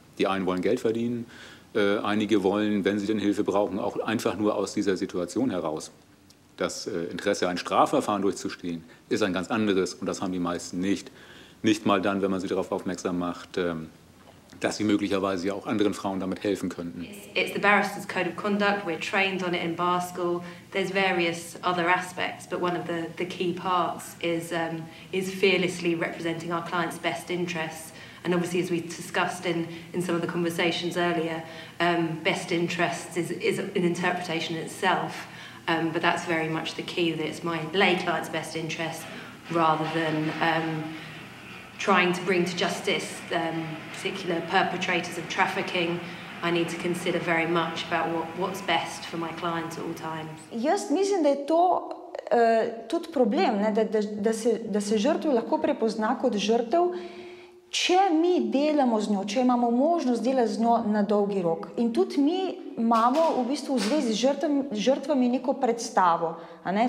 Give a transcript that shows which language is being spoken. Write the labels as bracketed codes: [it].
[de] Die einen wollen Geld verdienen, einige wollen, wenn sie denn Hilfe brauchen, auch einfach nur aus dieser Situation heraus. Das Interesse, ein Strafverfahren durchzustehen, ist ein ganz anderes und das haben die meisten nicht. Nicht mal dann, wenn man sie darauf aufmerksam macht, dass sie möglicherweise ja auch anderen Frauen damit helfen könnten. [en] It's the barrister's code of conduct. We're trained on it in bar school. There's various other aspects, but one of the key parts is fearlessly representing our clients' best interests And obviously, as we discussed in some of the conversations earlier, best interests is an interpretation itself. But that's very much the key, that it's my lay client's best interest rather than trying to bring to justice particular perpetrators of trafficking. I need to consider very much about what's best for my clients at all times. [sl] Jaz mislim, da je to tudi problem, ne, da se žrtev lahko prepozna kot žrtev, če mi delamo z njo, če imamo možnost delati z njo na dolgi rok. In tudi mi imamo v bistvu v zvezi z žrtvami neko predstavo. A ne?